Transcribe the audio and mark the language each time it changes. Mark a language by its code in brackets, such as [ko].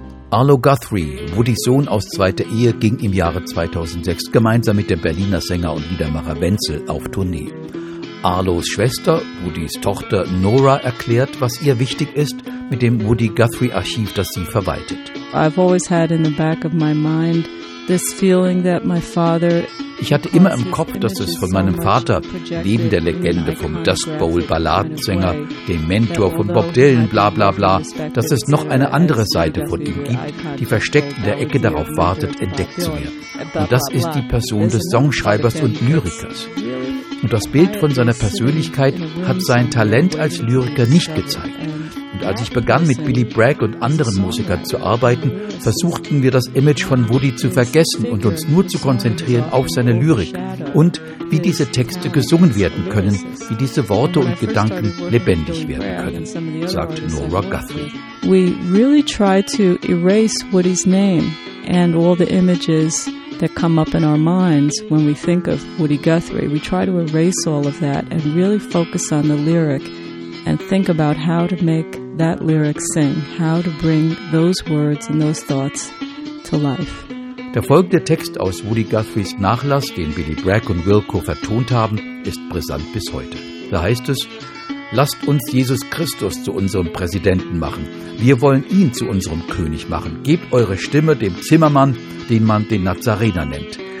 [de] Arlo Guthrie, Woodys Sohn aus zweiter Ehe, ging im Jahre 2006 gemeinsam mit dem Berliner Sänger und Liedermacher Wenzel auf Tournee. Arlos Schwester, Woodys Tochter Nora, erklärt, was ihr wichtig ist mit dem Woody Guthrie Archiv, das sie verwaltet. [en] I've always had in the back of my mind this feeling that my father. [de] Ich hatte immer im Kopf, dass es von meinem Vater, neben der Legende vom Dust Bowl Balladensänger, dem Mentor von Bob Dylan, bla bla bla, dass es noch eine andere Seite von ihm gibt, die versteckt in der Ecke darauf wartet, entdeckt zu werden. Und das ist die Person des Songschreibers und Lyrikers. Und das Bild von seiner Persönlichkeit hat sein Talent als Lyriker nicht gezeigt. Und als ich begann, mit Billy Bragg und anderen Musikern zu arbeiten, versuchten wir, das Image von Woody zu vergessen und uns nur zu konzentrieren auf seine Lyrik und wie diese Texte gesungen werden können, wie diese Worte und Gedanken lebendig werden können, sagt Nora Guthrie. [en] We really try to erase Woody's name and all the images that come up in our minds when we think of Woody Guthrie. We try to erase all of that and really focus on the lyric and think about how to make that lyric sing, how to bring those words and those thoughts to life. [de] Der folgende Text aus Woody Guthries Nachlass, den Billy Bragg und Wilco vertont haben, ist brisant bis heute. Da heißt es: Lasst uns Jesus Christus zu unserem Präsidenten machen. Wir wollen ihn zu unserem König machen. Gebt eure Stimme dem Zimmermann, den man den Nazarener nennt.